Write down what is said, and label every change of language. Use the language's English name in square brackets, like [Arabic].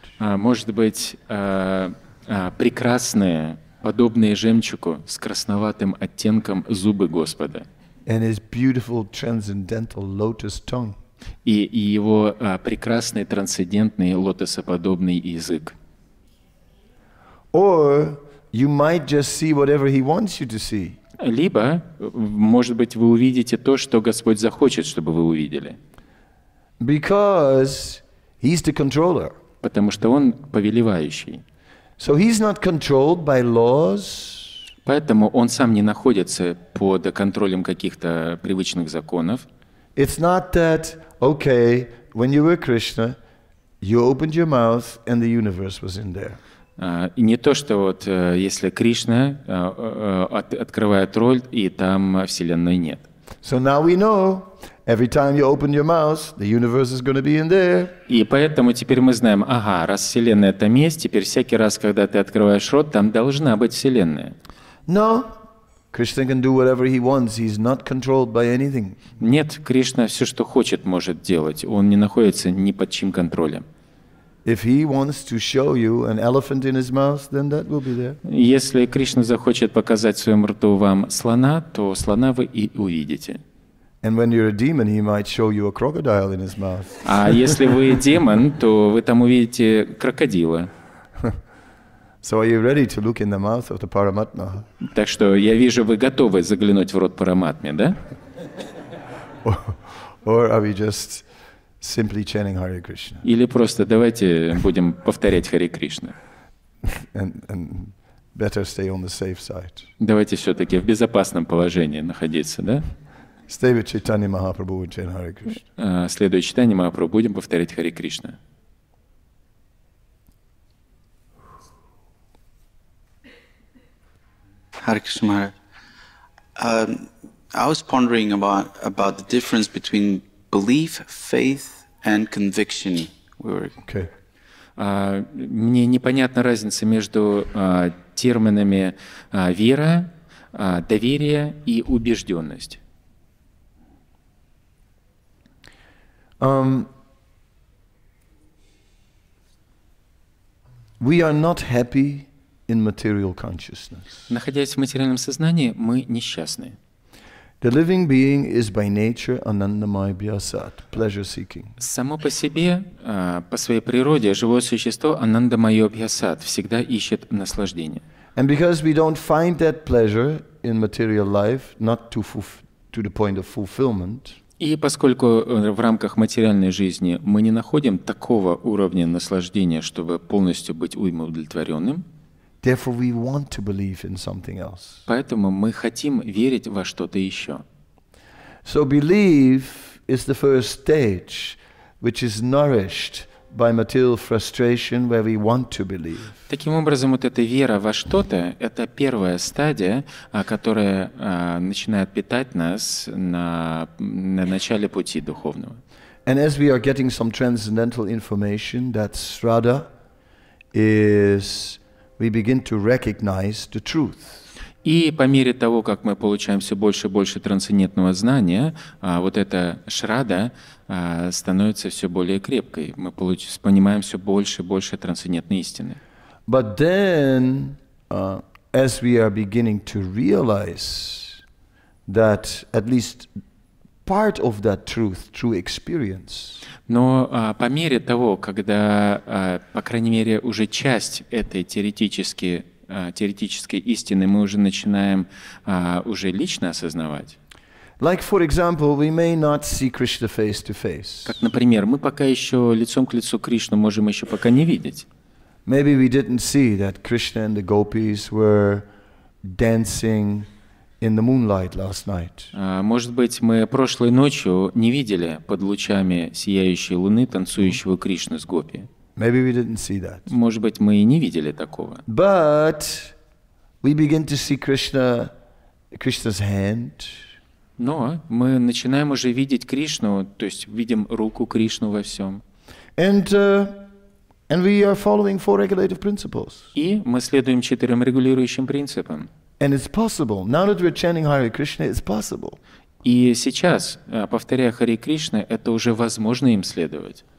[Russian] Может быть, прекрасные, подобные жемчугу с красноватым оттенком зубы Господа. [English] And his beautiful transcendental lotus tongue. [Russian] И его прекрасный трансцендентный лотосоподобный язык. [English] Or you might just see whatever he wants you to see. [Russian] Либо, может быть, вы увидите то, что Господь захочет, чтобы вы увидели. [English] Because he's the controller. [Russian] Потому что он повелевающий. [English] So he's not controlled by laws. [Russian] Поэтому он сам не находится под контролем каких-то привычных законов. [English] It's not that, okay, when you were Krishna, you opened your mouth and the universe was in there. [Russian] Не то, что вот если Кришна открывает рот, и там Вселенной нет. [English] So now we know, every time you open your mouth, the universe is going to be in there. [Russian] И поэтому теперь мы знаем, ага, раз Вселенная там есть, теперь всякий раз, когда ты открываешь рот, там должна быть Вселенная. [English] No, Krishna can do whatever he wants. He's not controlled by anything. [Russian] Нет, Кришна все, что хочет, может делать. Он не находится ни под чьим контролем. [English] If he wants to show you an elephant in his mouth, then that will be there. [Russian] Если Кришна захочет показать в своем рту вам слона, то слона вы и увидите. [English] And when you're a demon, he might show you a crocodile in his mouth. [Russian] А если вы демон, то вы там увидите крокодила. [English] So are you ready to look in the mouth of the Paramatma? [Russian] Так что я вижу, вы готовы заглянуть в рот Параматме, да? [English] Or are we just simply chanting Hare Krishna? [Russian] Или просто давайте будем повторять Харе Кришна. [English] And better stay on the safe side. [Russian] Давайте все-таки в безопасном положении находиться, да? [English] Stay with Chaitanya Mahaprabhu and chant Hare Krishna. [Russian] Следуя Чайтанья Махапрабху, будем повторять Харе Кришна. [English] Hare Krishna Maharaj. I was pondering about the difference between belief, faith, and conviction. Okay. [Russian] Мне непонятна разница между терминами вера, доверие и убежденность. [English] We are not happy in material consciousness. [Russian] Находясь в материальном сознании, мы несчастны. [English] The living being is by nature anandamaya vyasat, pleasure seeking. [Russian] Само по себе, по своей природе, живое существо анандамайо вьясат, всегда ищет наслаждение. [English] And because we don't find that pleasure in material life, not to the point of fulfillment. [Russian] И поскольку в рамках материальной жизни мы не находим такого уровня наслаждения, чтобы полностью быть удовлетворенным. [English] Therefore, we want to believe in something else. [Russian] Поэтому мы хотим верить во что-то еще. [English] So belief is the first stage, which is nourished by material frustration, where we want to believe. [Russian] Таким образом, вот эта вера во что-то — это первая стадия, которая начинает питать нас на начале пути духовного. [English] And as we are getting some transcendental information, that Shraddha is we begin to recognize the truth. [Russian] И по мере того, как мы получаем все больше и больше трансцендентного знания, вот эта шрада становится все более крепкой. Мы понимаем все больше и больше трансцендентной истины. [English] But then, as we are beginning to realize that at least part of that truth through experience. [Russian] Но по мере того, когда, по крайней мере, уже часть этой теоретической истины мы уже начинаем уже лично осознавать. [English] Like, for example, we may not see Krishna face to face. [Russian] Как, например, мы пока еще лицом к лицу Кришну можем еще пока не видеть. [English] Maybe we didn't see that Krishna and the gopis were dancing in the moonlight last night. [Russian] Может быть, мы прошлой ночью не видели под лучами сияющей луны танцующего Кришну с гопи. [English] Maybe we didn't see that. [Russian] Может быть, мы и не видели такого. [English] But we begin to see Krishna's hand. [Russian] Но мы начинаем уже видеть Кришну, то есть видим руку Кришну во всем. [English] And we are following four regulative principles. [Russian] И мы следуем четырем регулирующим принципам. [English] And it's possible. Now that we're chanting Hare Krishna, it's possible. [Russian] И сейчас, повторяя Харе Кришна, это уже возможно им следовать.